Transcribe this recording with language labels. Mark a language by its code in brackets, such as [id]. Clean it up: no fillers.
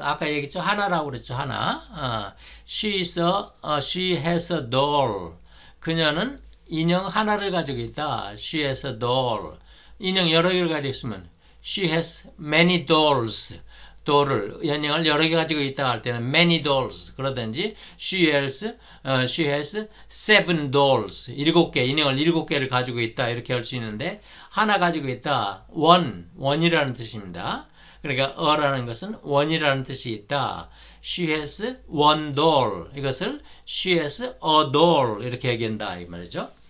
[ko] 아까 얘기했죠. 하나라고 그랬죠. 하나. [en] She has a doll. [ko] 그녀는 인형 하나를 가지고 있다. [en] She has a doll. [ko] 인형 여러 개를 가지고 있으면 [en] She has many dolls. [ko] 돌을 인형을 여러 개 가지고 있다 할 때는 [en] many dolls. 그러든지 she has seven dolls. [ko] 일곱 개 인형을 일곱 개를 가지고 있다 이렇게 할수 있는데 하나 가지고 있다. one이라는 뜻입니다. 그러니까 어라는 것은 원이라는 뜻이 있다. [en] She has one doll. [ko] 이것을 [en] She has a doll [ko] 이렇게 얘기한다 이 말이죠.